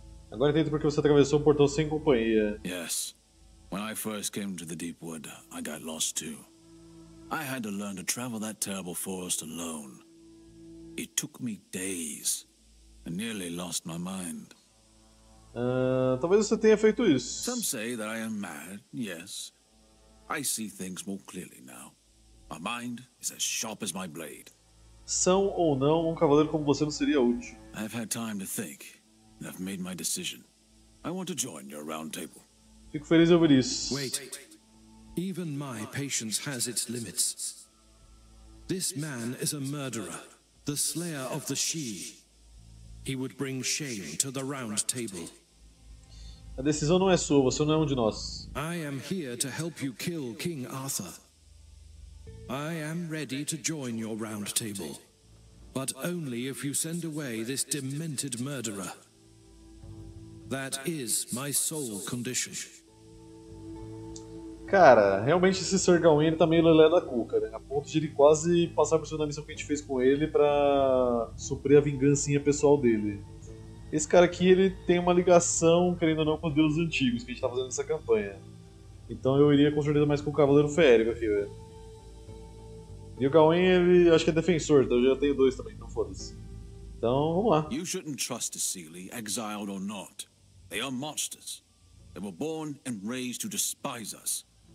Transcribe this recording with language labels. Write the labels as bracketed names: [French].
[Portuguese] Agora entendo porque você atravessou o portão sem companhia. [English] Yes. When I first came to the Deepwood, I got lost too. I had to learn to travel that terrible forest alone. It took me days. I nearly lost my mind. [Portuguese] Talvez você tenha feito isso. [English] Some say that I am mad. Yes. I see things more clearly now. My mind is as sharp as my blade. [Portuguese] São ou não um cavaleiro como você não seria útil. [English] I've had time to think, and I've made my decision. I want to join your round table. [Portuguese] Fico feliz em ouvir isso. [English] Wait. Even my patience has its limits. This man is a murderer, the slayer of the Shi. He would bring shame to the round table. [Portuguese] A decisão não é sua, você não é um de nós. [English] I am here to help you kill King Arthur. I am ready to join your round table, but only if you send away this demented murderer. That is my sole condition. [Portuguese] Cara, realmente esse Sir Gawain tá meio lelé da cuca, né? A ponto de ele quase passar por cima da missão que a gente fez com ele pra suprir a vingancinha pessoal dele. Esse cara aqui, ele tem uma ligação, querendo ou não, com os deuses antigos que a gente tá fazendo nessa campanha. Então eu iria com certeza mais com o Cavaleiro Feérico aqui, velho. E o Gawain, ele acho que é defensor, então eu já tenho dois também, então foda-se. Então, vamos lá. [English] You shouldn't trust the Seely, exiled or not. They are monsters. They were born and raised to despise us.